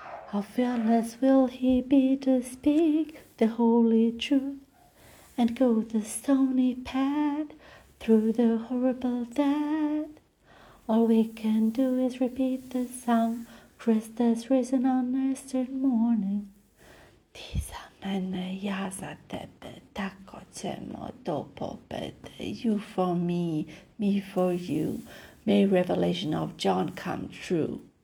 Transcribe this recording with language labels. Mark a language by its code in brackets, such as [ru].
[en] How fearless will he be to speak the holy truth and go the stony path through the horrible death? All we can do is repeat the song, Christ has risen on Eastern morning. [sr] Ti za mene, ja za tebe, tako ćemo do pobede. [en] You for me, me for you. May revelation of John come true.